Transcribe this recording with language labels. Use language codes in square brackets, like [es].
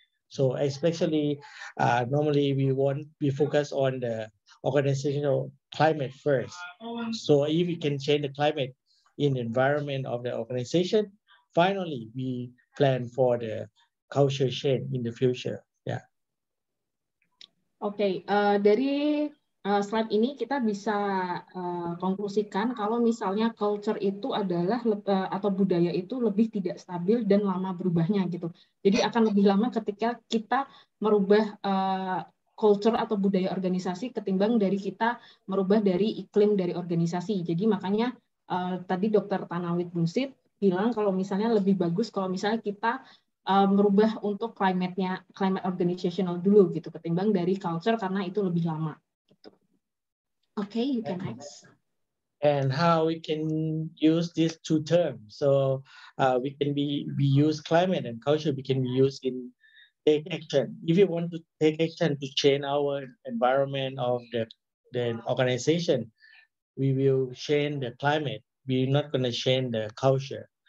[en] So especially normally we focus on the organizational climate first. So if we can change the climate in the environment of the organization, finally we plan for the culture change in the future. Yeah. [id] Okay, dari slide ini kita bisa konklusikan kalau misalnya culture itu adalah atau budaya itu lebih tidak stabil dan lama berubahnya gitu. Jadi akan lebih lama ketika kita merubah culture atau budaya organisasi ketimbang dari kita merubah dari iklim dari organisasi. Jadi makanya tadi Dr. Thanawit Bunsit bilang kalau misalnya lebih bagus kalau misalnya kita merubah untuk climate organizational dulu gitu, ketimbang dari culture karena itu lebih lama. [en] Okay, you can next. And how we can use these two terms? So we use climate and culture. We can be used in take action. If you want to take action to change our environment of the organization, we will change the climate. We're not going to change the culture.